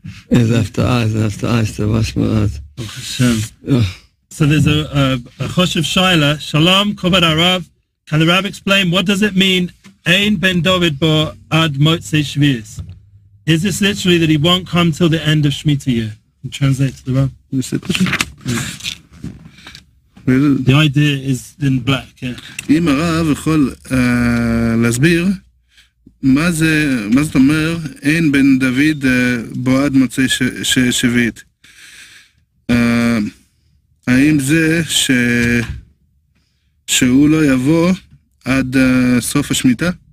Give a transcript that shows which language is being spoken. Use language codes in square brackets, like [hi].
[he] איזה הפתעה, איזה הפתעה, הסתובבה שמועת. ברוך השם. אז זה חושב שאלה, שלום, כבוד הרב, [en] can the Rav explain what does it mean [he] אין בן דוד בו עד מוצאי שביעית? [en] Is this literally that he won't come till the end of Shemitah year? Can you translate to the Rav? Is it? The idea is in black, yeah. [he] אם הרב יכול להסביר מה זאת אומר אין בן דוד בועד מוצאי שביעית. האם זה שהוא לא יבוא עד סוף השמיטה?